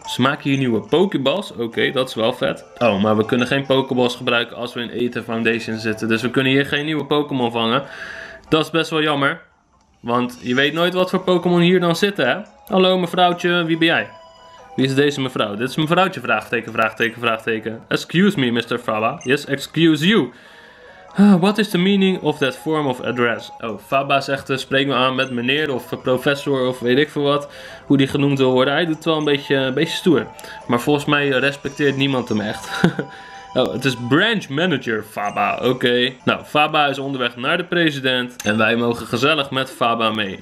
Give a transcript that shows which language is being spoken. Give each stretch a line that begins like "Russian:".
Dutch: Ze maken hier nieuwe Pokéballs. Oké, dat is wel vet. Oh, maar we kunnen geen Pokéballs gebruiken als we in Aether Foundation zitten. Dus we kunnen hier geen nieuwe Pokémon vangen. Dat is best wel jammer. Want je weet nooit wat voor Pokémon hier dan zitten, hè? Hallo, mevrouwtje, wie ben jij? Wie is deze mevrouw? Dit is mevrouwtje, vraagteken.
English: Excuse me, Mr. Faba. Yes, excuse you. What is the meaning of that form of address?
Dutch: Oh, Faba zegt, spreek me aan met meneer of professor of weet ik veel wat. Hoe die genoemd wil worden. Hij doet wel een beetje stoer. Maar volgens mij respecteert niemand hem echt. Oh, het is branch manager Faba, oké. Nou, Faba is onderweg naar de president. En wij mogen gezellig met Faba mee.